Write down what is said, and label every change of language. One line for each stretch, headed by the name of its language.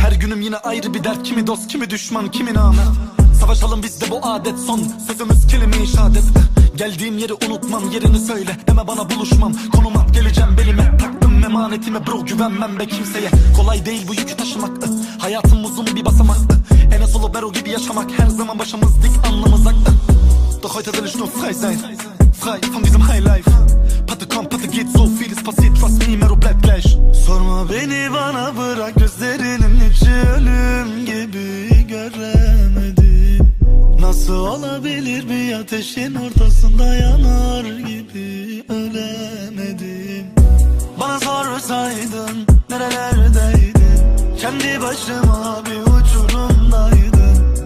Turkish: Günüm yine ayrı bir dert, kimi dost kimi düşman kimin ahmet. Savaşalım bizde bu adet, son sözümüz kelime-i şehadet. Geldiğim yeri unutmam, yerini söyle deme bana buluşmam. Konum at geleceğim belime, taktım emanetime bro, güvenmem be kimseye. Kolay değil bu yükü taşımak, hayatım uzun bir basamak. Enes Olubero gibi yaşamak, her zaman başımız dik anlamız ak.
German: Doch heute will ich nur frei sein, frei von diesem high life. Patte komm patte geht, so vieles passiert,
English: trust me
German: mero bleib gleich.
Turkish: Sorma beni bana bırak, gözlerinin içi ölüm gibi göremedim. Nasıl olabilir bir ateşin ortasında yanar gibi ölemedim. Bana sorsaydın nerelerdeydin, kendi başıma bir uçurumdaydın.